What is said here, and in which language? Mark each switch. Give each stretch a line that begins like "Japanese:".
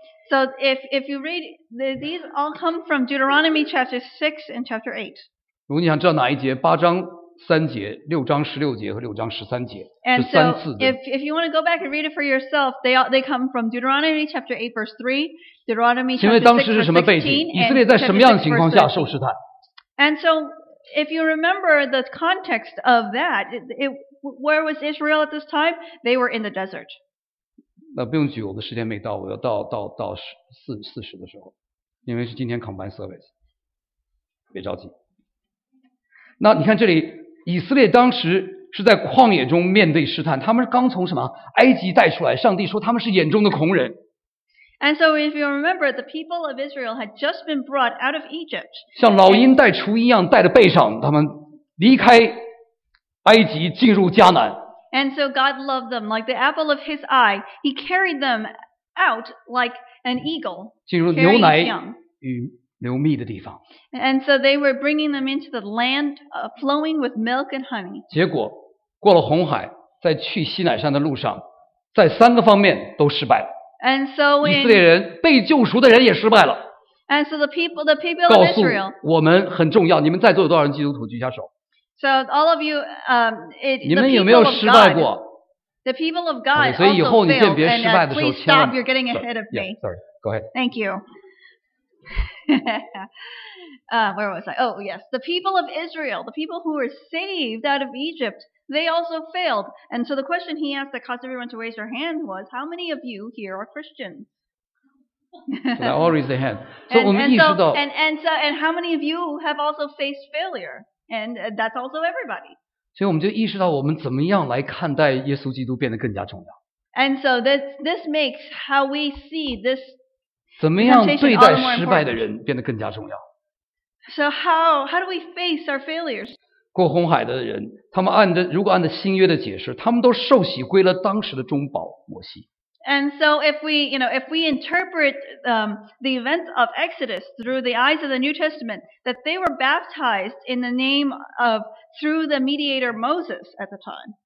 English: So if you read these, all come from Deuteronomy chapter 6 and chapter 8.
Chinese: 如果你想知道哪一节，八章三节、六章十六节和六章十三节是三次的。
English: If you want to go back and read it for yourself, they come from Deuteronomy chapter 8 verse 3, Deuteronomy chapter 6 verse 16, and chapter 6 verse 13.
Chinese: 以色列在什么样的情况下受试探
English: ？And so, if you remember the context of that, where was Israel at this time? They were in the desert.
Chinese: 那不用举，我的时间没到，我要到四十的时候，因为是今天
English: combine service，
Chinese: 别着急。那你看这里，以色列当时是在旷野中面对试探，他们刚从什么埃及带出来，上帝说他们是眼中的穷人。
English: And so if you remember, the people of Israel had just been brought out of Egypt.
Chinese: 像老鹰带雏一样带着背上，他们离开埃及进入迦南。
English: And so God loved them like the apple of His eye. He carried them out like an eagle.
Chinese: 进入牛奶与流蜜的地方。
English: And so they were bringing them into the land flowing with milk and honey.
Chinese: 结果过了红海，在去西乃山的路上，在三个方面都失败了。
English: And so
Chinese: 以色列人被救赎的人也失败了。
English: And so the people of Israel.
Chinese: 告诉我们很重要，你们在座有多少人基督徒举下手。
English: So all of you, the people of God also failed, and please stop, you're getting ahead of me. Sorry, go ahead. Thank you. where was I? Oh, yes. The people of Israel, the people who were saved out of Egypt, they also failed. And so the question he asked that caused everyone to raise their hand was, how many of you here are Christians? So they all raised their hand. And how many of you have also faced failure? And that's also everybody. And so this makes how we see this temptation all more important. So how do we face our failures?
Chinese: 过红海的人，他们按着如果按着新约的解释，他们都受洗归了当时的中保摩西。
English: And so if we interpret the events of Exodus through the eyes of the New Testament, that they were baptized in the name of through the mediator Moses at the time.